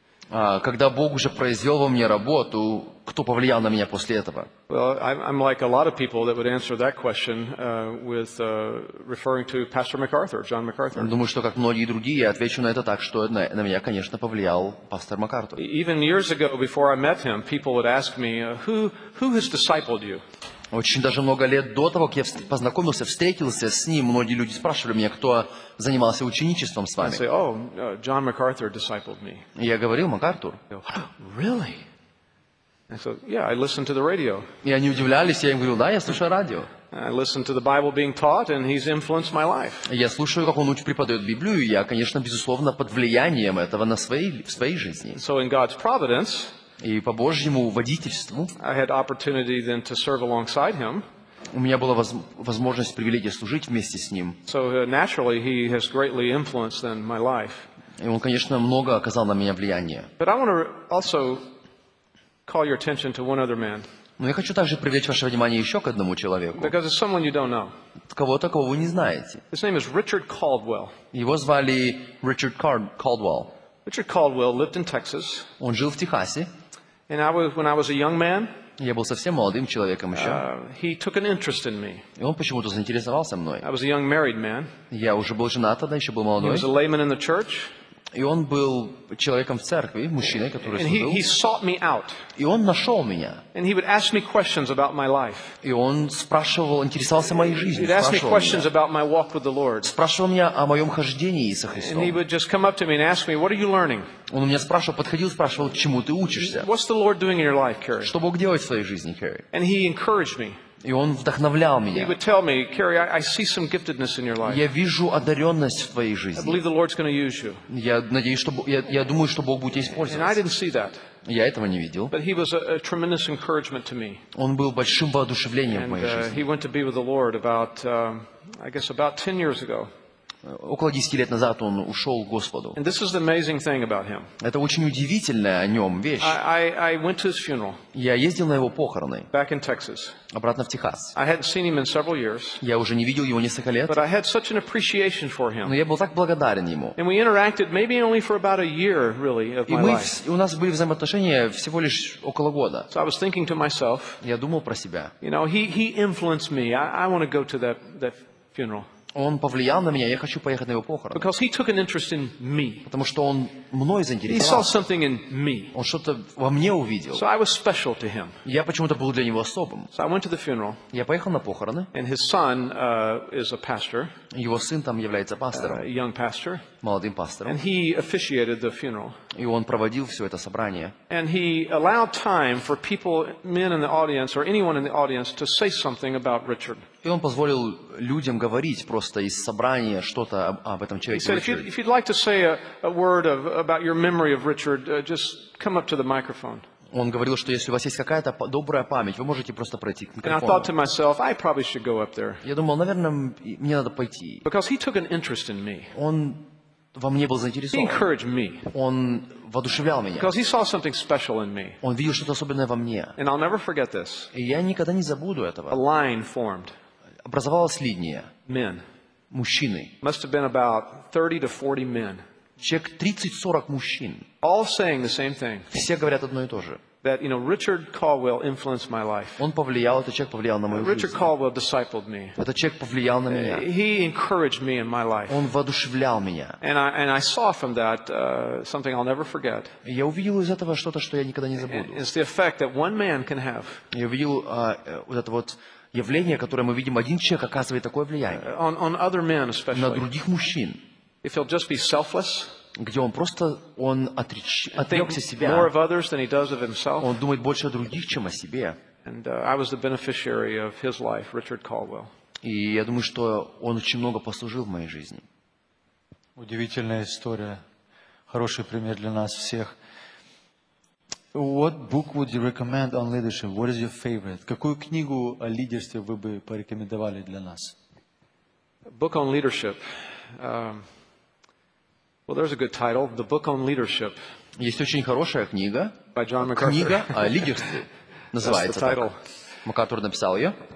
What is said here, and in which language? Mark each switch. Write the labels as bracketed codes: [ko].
[ru] Когда Бог уже произвел во мне работу, кто повлиял на меня после этого? [en] Well, I'm like a lot of people that would answer that question with referring to Pastor MacArthur, John MacArthur. [ru] Думаю, что как многие другие, я отвечу на это так, что на меня, конечно, повлиял пастор MacArthur. [en] Even years ago, before I met him, people would ask me, who has discipled you? [ru] Очень даже много лет до того, как я познакомился, встретился с ним, многие люди спрашивали меня, кто занимался ученичеством с вами. [en] Say, oh, John MacArthur discipled me. [ru] Я говорил, MacArthur. [en] Really? So, yeah, I listened to the radio. [ru] И они удивлялись, я им говорил, да, я слушаю радио. [en] I listened to the Bible being taught, and he's influenced my life. [ru] Я слушаю, как он преподает Библию, и я, конечно, безусловно, под влиянием этого в своей жизни. [en] So in God's providence, [ru] и по Божьему водительству, [en] I had opportunity then to serve alongside him. [ru] У меня была возможность, привилегия служить вместе с ним. [en] So naturally, he has greatly influenced then my life. [ru] И он, конечно, много оказал на меня влияние. [en] But I want to also call your attention to one other man. [ru] Но я хочу также привлечь ваше внимание еще к одному человеку. [en] Because it's someone you don't know. [ru] Кого-то, кого вы не знаете. [en] His name is Richard Caldwell. [ru] Его звали Richard Caldwell. [en] Richard Caldwell lived in Texas. [ru] Он жил в Техасе. [en] And when I was a young man, [ru] я был совсем молодым человеком еще. [en] He took an interest in me. [ru] И он почему-то заинтересовался мной. [en] I was a young married man. [ru] Я уже был женат тогда, еще был молодой. [en] He was a layman in the church. [ru] И он был человеком в церкви, мужчиной, который служил. [en] And he sought me out. [ru] И он нашел меня. [en] And he would ask me questions about my life. [ru] И он спрашивал, интересовался моей жизнью. [en] He'd ask me questions about my walk with the Lord. [ru] Спрашивал меня о моем хождении со Христом. [en] And he would just come up to me and ask me, what are you learning? [ru] Он у меня спрашивал, подходил, спрашивал, чему ты учишься? [en] What's the Lord doing in your life, Kerry? [ru] Что Бог делает в своей жизни, Kerry? [en] And he encouraged me. [ru] И он вдохновлял меня. [en] He would tell me, Kerry, I see some giftedness in your life. [ru] Я вижу одаренность в твоей жизни. [en] I believe the Lord's going to use you. [ru] Я надеюсь, что я думаю, что Бог будет использовать. [en] And I didn't see that. [ru] Я этого не видел. [en] But he was a tremendous encouragement to me. [ru] Он был большим воодушевлением в моей жизни. [en] And he went to be with the Lord about, I guess, about 10 years ago. [ru] Около 10 лет назад он ушел к Господу. [en] And this is the amazing thing about him. [ru] Это очень удивительная о нем вещь. [en] I went to his funeral. [ru] Я ездил на его похороны. [en] Back in Texas. [ru] Обратно в Техас. [en] I hadn't seen him in several years. [ru] Я уже не видел его несколько лет. [en] But I had such an appreciation for him. [ru] Но я был так благодарен ему. [en] And we interacted maybe only for about a year, really, of my life. [ru] И у нас были взаимоотношения всего лишь около года. [en] So I was thinking to myself. [ru] Я думал про себя. [en] You know, he influenced me. I want to go to that funeral. [ru] Он повлиял на меня, я хочу поехать на его похороны. [en] Because he took an interest in me. [ru] Потому что он мной заинтересовался. [en] He saw something in me. [ru] Он что-то во мне увидел. [en] So I was special to him. [ru] Я почему-то был для него особым. [en] So I went to the funeral. [ru] Я поехал на похороны. [en] And his son is a pastor. [ru] Его сын там является пастором. [en] A young pastor. [ru] Молодым пастором. [en] And he officiated the funeral. [ru] И он проводил все это собрание. [en] And he allowed time for people, men in the audience or anyone in the audience, to say something about Richard. [ru] И он позволил людям говорить просто из собрания что-то об этом человеке. [en] He said, if you'd like to say a word about your memory of Richard, just come up to the microphone. [ru] Он говорил, что если у вас есть какая-то добрая память, вы можете просто пройти к микрофону. [en] And I thought to myself, I probably should go up there. [ru] Я думал, наверное, мне надо пойти. [en] Because he took an interest in me. [ru] Он во мне был заинтересован. [en] He encouraged me. [ru] Он воодушевлял меня. [en] Because he saw something special in me. [ru] Он видел что-то особенное во мне. [en] And I'll never forget this. [ru] И я никогда не забуду этого. [en] A line formed. [ru] Образовалась линия. [en] Men. [ru] Мужчины. [en] Must have been about 30 to 40 men. [ru] Человек 30-40 мужчин. [en] All saying the same thing. [ru] Все говорят одно и то же. [en] That, you know, Richard Caldwell influenced my life. [ru] Он повлиял, этот человек повлиял на мою жизнь. [en] Richard Caldwell discipled me. [ru] Этот человек повлиял на меня. [en] He encouraged me in my life. [ru] Он воодушевлял меня. [en] And I saw from that something I'll never forget. [ru] Я увидел из этого что-то, что я никогда не забуду. [en] It's the effect that one man can have. [ru] Я увидел вот это вот явление, которое мы видим, один человек оказывает такое влияние. [en] On other men especially. [ru] На других мужчин. [en] If he'll just be selfless. [ru] Где он просто он отрекся себя. [en] More of others than he does of himself. [ru] Он думает больше о других, чем о себе. [en] And I was the beneficiary of his life, Richard Caldwell. [ru] И я думаю, что он очень много послужил в моей жизни. Удивительная история. Хороший пример для нас всех. [en] What book would you recommend on leadership? What is your favorite? [ru] Какую книгу о лидерстве вы бы порекомендовали для нас? [en] Book on leadership. Well, there's a good title, The Book on Leadership. [ru] Есть очень хорошая книга. [en] By John MacArthur. [ru] Книга о лидерстве называется. [en] That's the title. [ru] MacArthur написал ее.